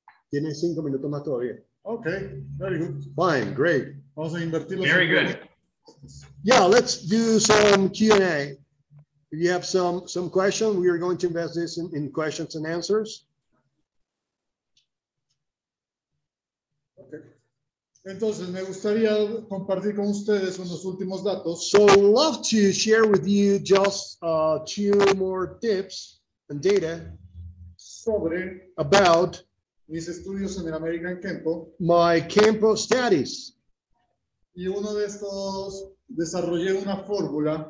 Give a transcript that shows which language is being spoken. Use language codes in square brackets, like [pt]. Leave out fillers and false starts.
[es] Tiene 5 minutos más todavía. [en] Okay. Very good. Fine. Great. [es] Vamos a invertir [en] los very good. Yeah, let's do some Q&A. If you have some questions, we are going to invest this in questions and answers. [es] Entonces, me gustaría compartir con ustedes unos últimos datos. [en] So, I'd love to share with you just two more tips and data [es] sobre [en] about [es] mis estudios en el American Kempo. [en] My Kempo studies. [es] Y uno de estos, desarrollé una fórmula.